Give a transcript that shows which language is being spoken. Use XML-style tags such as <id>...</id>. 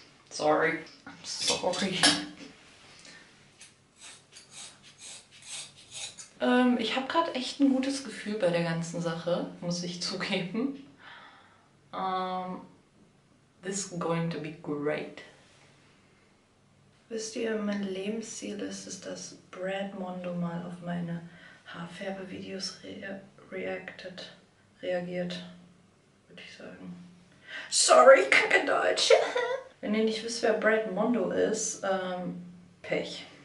<en>Sorry. I'm sorry.</en> <de>Ich habe gerade echt ein gutes Gefühl bei der ganzen Sache, muss ich zugeben.</de> <en>This is going to be great.</en> <de>Wisst ihr, mein Lebensziel ist es, dass Brad Mondo mal auf meine Haarfärbevideos reagiert, würde ich sagen. Sorry, kacke Deutsch. Wenn ihr nicht wisst, wer Brad Mondo ist, Pech.</de>